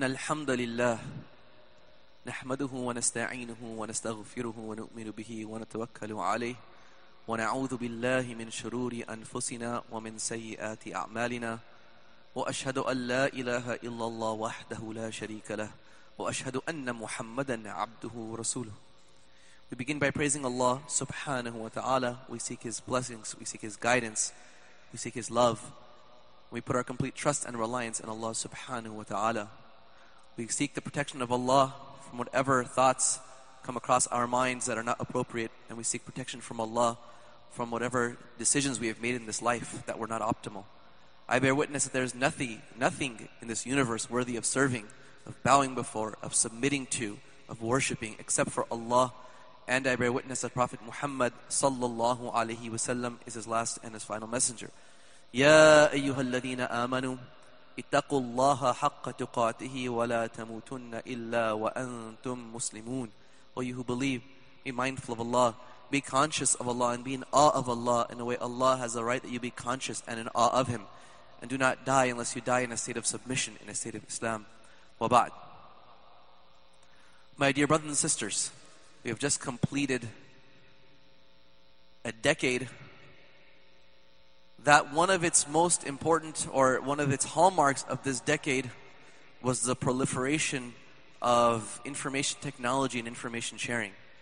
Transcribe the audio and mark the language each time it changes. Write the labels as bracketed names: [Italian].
[Arabic] الحمد لله نحمده ونستعينه ونستغفره ونؤمن به ونتوكل عليه ونعوذ بالله من شرور أنفسنا ومن سيئات أعمالنا وأشهد أن لا إله إلا الله وحده لا شريك له وأشهد أن محمدًا عبده ورسوله. [English] We begin by praising Allah subhanahu wa ta'ala. We seek His blessings, we seek His guidance, we seek His love. We put our complete trust and reliance in Allah subhanahu wa ta'ala. We seek the protection of Allah from whatever thoughts come across our minds that are not appropriate. And we seek protection from Allah from whatever decisions we have made in this life that were not optimal. I bear witness that there is nothing in this universe worthy of serving, of bowing before, of submitting to, of worshipping, except for Allah. And I bear witness that Prophet Muhammad sallallahu alayhi wa sallam is his last and his final messenger. [Arabic] Ya ayyuha alladhina amanu. اتقوا الله حق تقاته ولا تموتن إلا وأنتم مسلمون. [English] Oh, you who believe, be mindful of Allah, be conscious of Allah, and be in awe of Allah. In a way, Allah has the right that you be conscious and in awe of Him, and do not die unless you die in a state of submission, in a state of Islam. [Arabic] Wa ba'd. [English] My dear brothers and sisters, we have just completed a decade that one of its most important, or one of its hallmarks of this decade, was the proliferation of information technology and information sharing.